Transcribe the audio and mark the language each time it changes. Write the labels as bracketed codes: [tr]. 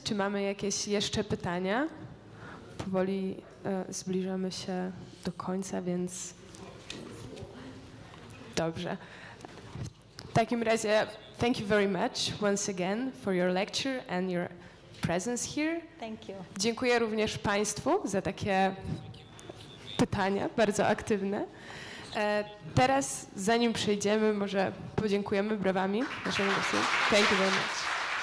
[pl] Czy mamy jakieś jeszcze pytania? Powoli zbliżamy się do końca, więc dobrze. W takim razie, [en] thank you very much once again for your lecture and your presence here. Thank you. [pl] Dziękuję również Państwu za takie pytania, bardzo aktywne. Teraz, zanim przejdziemy, może podziękujemy brawami naszym gościom. [en] Thank you very much.